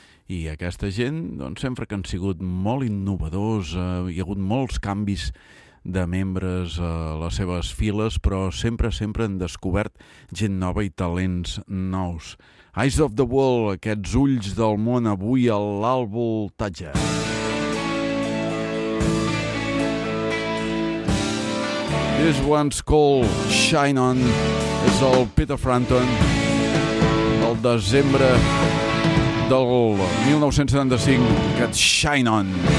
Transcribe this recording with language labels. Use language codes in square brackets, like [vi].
[ca] I aquesta gent, doncs, sempre que han sigut molt innovadors, hi ha hagut molts canvis de membres a les seves files, però sempre han descobert gent nova i talents nous. Eyes of the World, aquests ulls del món, avui a l'Alvoltatge. [en] This one's called Shine On. [ca] És el Peter Frampton, el desembre del 1975, aquest Shine On.